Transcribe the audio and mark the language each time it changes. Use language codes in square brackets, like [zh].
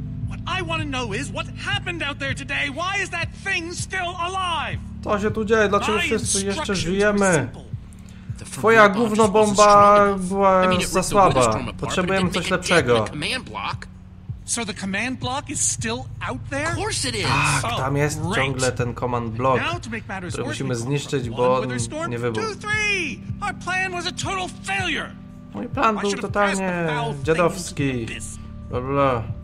[en] What I want to know is what happened out there today. Why is that thing still alive? [pl] To się tu dzieje, dlaczego wszyscy jeszcze żyjemy? Twoja gówno bomba była za słaba. Potrzebujemy coś lepszego. [en] So the command block is still out there? Of course it is. [pl] Tak, tam jest ciągle ten command block, który musimy zniszczyć, bo on nie wybuchł. [en] Our plan was a total failure. [pl] Mój plan był totalnie dziadowski. Bla, bla.